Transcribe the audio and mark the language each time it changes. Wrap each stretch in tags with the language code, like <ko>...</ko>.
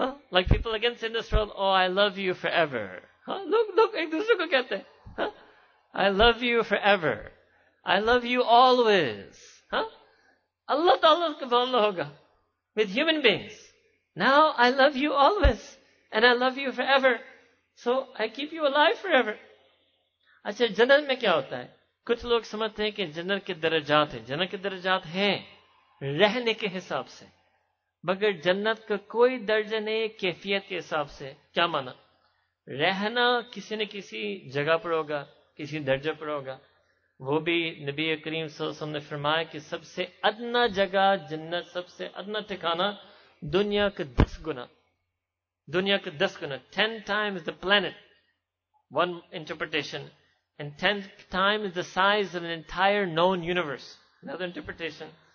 <en>Like people again say in this world, oh, I love you forever. Look,</en> <ur>ایک دوسرے کو کہتے ہیں,</ur> <en>I love you forever. I love you always.</en> <ur>اللہ تعالیٰ کا معاملہ ہوگا</ur> <en>with human beings. Now I love you always and I love you forever. So, I keep you alive forever.</en> <ur>اچھا جنت میں کیا ہوتا ہے؟ کچھ لوگ سمجھتے ہیں کہ جنت کے درجات ہیں. جنت کے درجات ہیں رہنے کے حساب سے. مگر جنت کا کوئی درجہ نہیں کیفیت کے حساب سے. کیا مانا؟ رہنا کسی نہ کسی جگہ پر ہوگا, کسی درجہ پر ہوگا. وہ بھی نبی کریم صلی اللہ علیہ وسلم نے فرمایا کہ سب سے ادنا جگہ جنت, سب سے ادنا ٹھکانا دنیا کا 10 گنا. Dunya ka 10 guna,</ur> <en>10 times the planet, one interpretation, and 10 times the size of an entire known universe, another interpretation.</en>